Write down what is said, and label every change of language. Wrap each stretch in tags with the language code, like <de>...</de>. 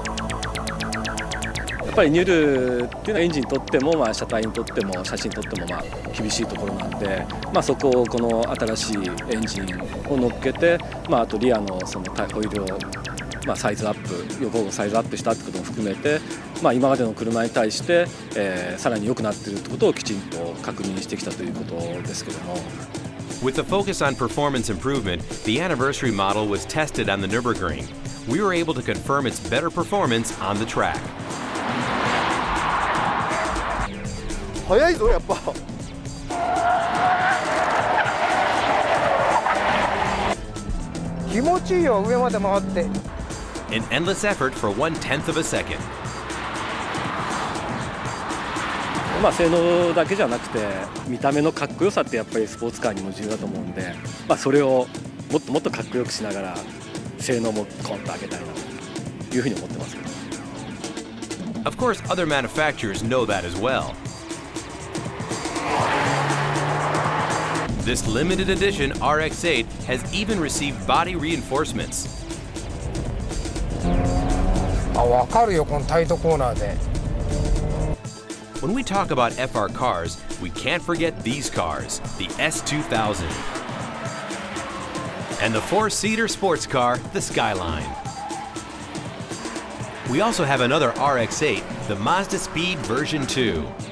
<ja>やっぱりニュルっていうのはエンジンにとっても、まあ、車体にとっても車種にとっても、まあ、厳しいところなんで、まあ、そこをこの新しいエンジンを乗っけて、まあ、あとリア の, そのホイールをまあ、サイズアップ、横をサイズアップしたってことも含めて、まあ、今までの車に対して、さらに良くなっているってことをきちんと確認してきたということですけども。</ja> <en>With a focus on performance improvement, the anniversary model was tested on the Nürburgring. We were able to confirm its better performance on the track.</en> <ja>速いぞ、やっぱ。気持ちいいよ、上まで回って。</ja> <en>An endless effort for 1/10 of a second.</en> <ja>まあ性能だけじゃなくて見た目のかっこよさってやっぱりスポーツカーにも重要だと思うんで、まあ、それをもっともっとかっこよくしながら性能もコンと上げたいなというふうに思ってます。</ja> <en>Of course, other manufacturers know that as well. This limited edition RX-8 has even received body reinforcements.</en> <ja>わかるよ、このタイトコーナーで。</ja> <en>When we talk about FR cars, we can't forget these cars, the S2000. And the four-seater sports car, the Skyline. We also have another RX-8, the Mazda Speed version 2.</en>